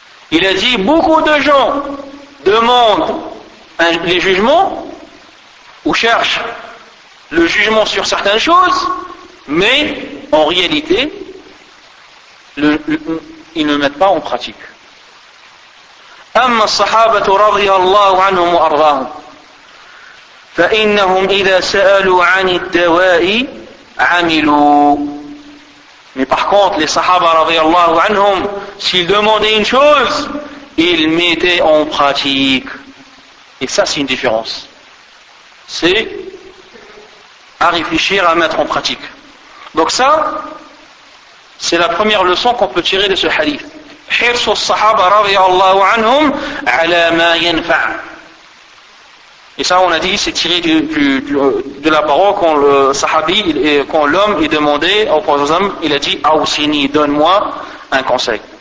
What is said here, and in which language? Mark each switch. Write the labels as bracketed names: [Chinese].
[French] Il a dit, beaucoup de gens demandent les jugements ou cherchent le jugement sur certaines choses, mais en réalité ils ne mettent pas en pratique. [Arabic] أما الصحابة رضي الله عنهم وأرضاهم فإنهم إذا سألوا عن الدواء عملوا. [French] Mais par contre, les sahaba [Arabic] رضي الله عنهم, [French] s'ils demandaient une chose, ils mettaient en pratique. Et ça, c'est une différence. C'est à réfléchir, à mettre en pratique. Donc ça, c'est la première leçon qu'on peut tirer de ce hadith. [Arabic] حرص الصحابة رضي الله عنهم على ما ينفع. [French] Et ça, on a dit, c'est tiré de la parole quand le sahabi, quand l'homme est demandé au prophète, il a dit, Aousini, donne-moi un conseil.